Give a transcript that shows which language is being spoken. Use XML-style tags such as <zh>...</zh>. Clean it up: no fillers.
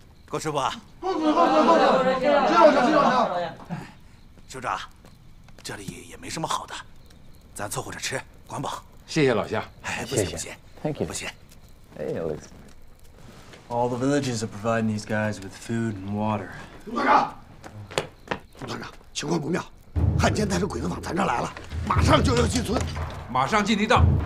<zh>够吃不？够吃，够吃，够吃，够吃，够吃，够吃，够吃。首长，这里也没什么好的，咱凑合着吃，管饱。谢谢老乡。哎，不谢不谢。</zh> <en>Thank you。</en> <zh>不谢。</zh> <en>Hey, Alex. All the villages are providing these guys with food and water.</en> <zh>团长，副团长，情况不妙。汉奸带着鬼子往咱这儿来了，马上就要进村，马上进敌道。</zh>